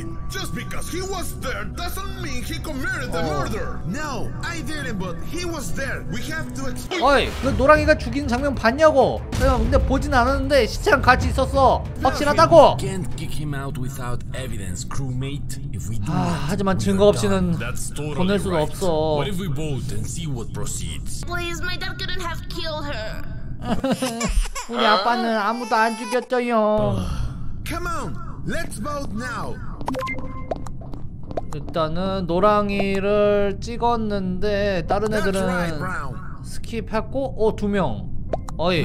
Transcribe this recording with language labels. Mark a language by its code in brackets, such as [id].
[en] Just because he was there doesn't mean he committed the murder. No, I didn't, but he was there. We have to explain. [ko] 어이, 그 노랑이가 죽인 장면 봤냐고? 내가 근데 보진 않았는데 시체랑 같이 있었어. 확실하다고. [en] We can't kick him out without evidence, crewmate. If we do, [ko] 하지만 증거 없이는 보낼 수 없어. [en] What if we vote and see what proceeds? Please, my dad couldn't have killed her. [ko] 우리 아빠는 아무도 안 죽였죠요. [en] Come on, let's vote now. [ko] 일단은 노랑이를 찍었는데 다른 애들은 스킵했고 어 두 명. 어이.